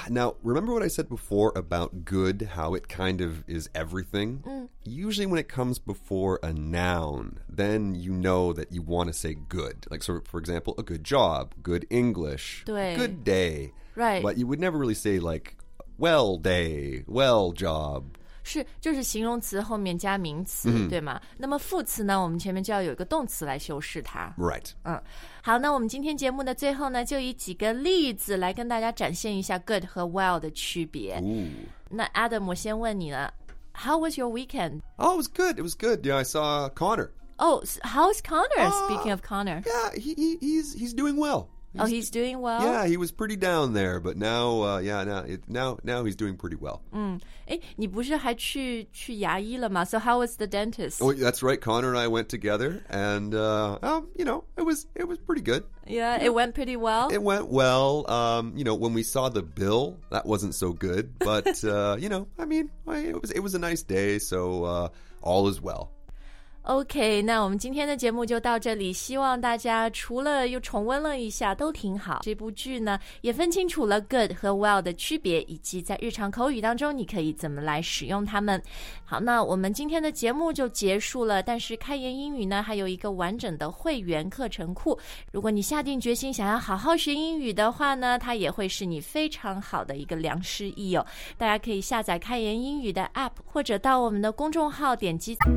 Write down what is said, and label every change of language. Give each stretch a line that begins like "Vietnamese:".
English: Now, remember what I said before about good, how it kind of is everything? Usually when it comes before a noun, then you know that you want to say good. Like, so for example,a good job, good English, good day. Right. But you would never really say like, well day, well job.
Chinese: 是，就是形容词后面加名词，对吗？那么副词呢，我们前面就要有一个动词来修饰它。
English: Right.
Chinese: 好，那我们今天节目的最后呢，就以几个例子来跟大家展现一下 good 和 well 的区别。那 Adam, 我先问你了，
English: How was your weekend? Oh, it was good, it was good. Yeah, I saw Connor. Oh, how's Connor? Speaking of Connor. Yeah, he's doing well. He's doing well? Yeah, he was pretty down there, but now, now he's doing pretty well.
Chinese: 你不是还去牙医了吗?
English: So how was the dentist? Oh, that's right. Connor and I went together, and, you know, it was pretty good. Yeah, it went pretty well. It went well. You know, when we saw the bill, that wasn't so good. But, you know, I mean, it was a nice day, so all is well.
Chinese: OK, 那我们今天的节目就到这里，希望大家除了又重温了一下都挺好，这部剧呢也分清楚了 good 和 well 的区别，以及在日常口语当中你可以怎么来使用它们。好，那我们今天的节目就结束了，但是开言英语呢还有一个完整的会员课程库，如果你下定决心想要好好学英语的话呢，它也会是你非常好的一个良师益友。大家可以下载开言英语的 APP 或者到我们的公众号点击